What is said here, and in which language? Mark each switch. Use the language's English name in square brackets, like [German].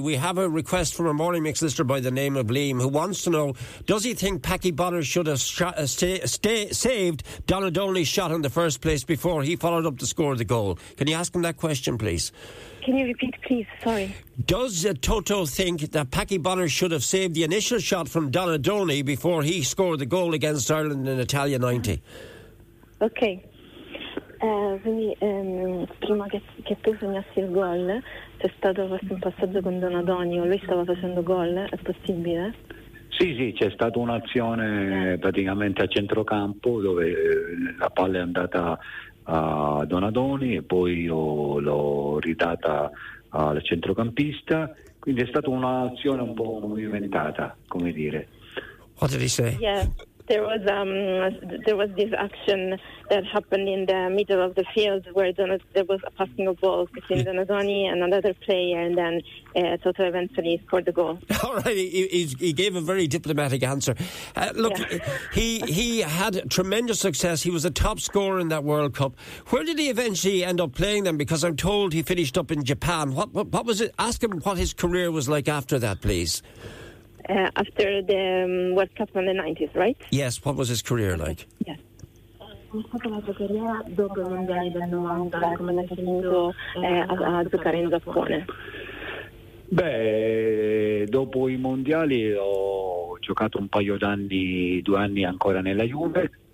[English] We have a request from a Morning Mix listener by the name of Liam, who wants to know, does he think Paddy Bonner should have saved Donadoni's shot in the first place before he followed up to score the goal? Can you ask him that question, please? Can you repeat, please? Sorry. Does Toto think that Paddy Bonner should have saved the initial shot from Donadoni before he scored the goal against Ireland in Italia 90? Okay. [Italian] Quindi prima che tu segnassi il gol, c'è stato forse un passaggio con Donadoni o lui stava facendo gol, è possibile? Sì, sì, c'è stata un'azione praticamente a centrocampo dove la palla è andata a Donadoni e poi io l'ho ridata al centrocampista, quindi è stata un'azione un po' movimentata, come dire. [English] What did he say? There was this action that happened in the middle of the field where there was a passing of ball between Donadoni and another player, and then Toto eventually scored the goal. All right, he gave a very diplomatic answer. He had tremendous success. He was a top scorer in that World Cup. Where did he eventually end up playing then? Because I'm told he finished up in Japan. What was it? Ask him what his career was like after that, please. After the World Cup in the 90s, right? Yes, what was his career like? [Italian] Mi è stata la sua carriera dopo il mondiale del 90, come l'ha finito a giocare in Giappone? Beh, dopo i mondiali ho giocato un paio d'anni, 2 anni ancora nella Juve,